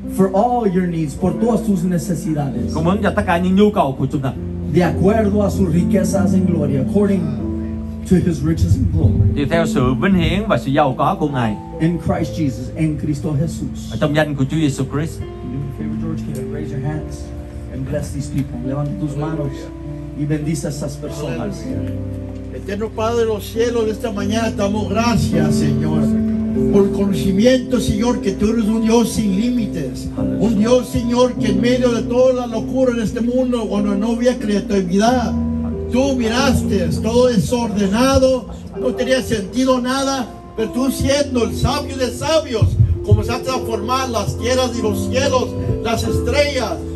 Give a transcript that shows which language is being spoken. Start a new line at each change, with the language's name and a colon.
English: For all your needs,
Spanish: por todas tus necesidades.
Vietnamese: Cung ứng cho tất cả những nhu cầu của chúng ta.
Spanish: De acuerdo a sus riquezas en gloria,
English: according to his riches and glory.
Vietnamese: Theo sự vinh hiển và sự giàu có của Ngài.
English: In Christ Jesus, in Cristo Jesús.
Vietnamese: Ở trong danh của Chúa Giêsu Christ.
English: Favorite George, can you raise your hands and bless these people.
Spanish: Levanta tus manos y bendice a esas personas. Eterno Padre de los cielos, de esta mañana damos gracias, Señor, por conocimiento, Señor, que tú eres un Dios sin límites. Un Dios, Señor, que en medio de toda la locura en este mundo, cuando no había creatividad, tú miraste todo desordenado, no tenía sentido nada, pero tú siendo el sabio de sabios, comenzaste a formar las tierras y los cielos, las estrellas.